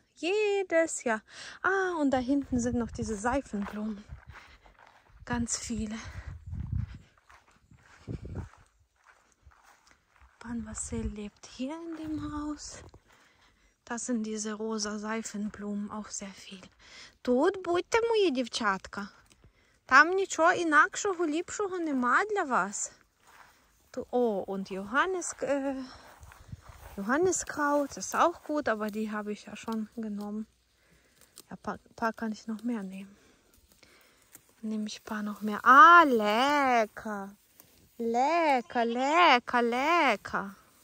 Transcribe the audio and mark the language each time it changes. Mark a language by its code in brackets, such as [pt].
[de] Jedes Jahr. Ah, und da hinten sind noch diese Seifenblumen. Ganz viele. Pan Vasil lebt hier in dem Haus. Das sind diese rosa Seifenblumen, auch sehr viel. [uk] Тут будьте, мої дівчатка. Там нічого інакшого, ліпшого нема для вас. [de] Oh, und Johanniskraut ist auch gut, aber die habe ich ja schon genommen. Ja, paar kann ich noch mehr nehmen. Nehme ich ein paar noch mehr. Ah, lecker. Lecker, lecker, lecker.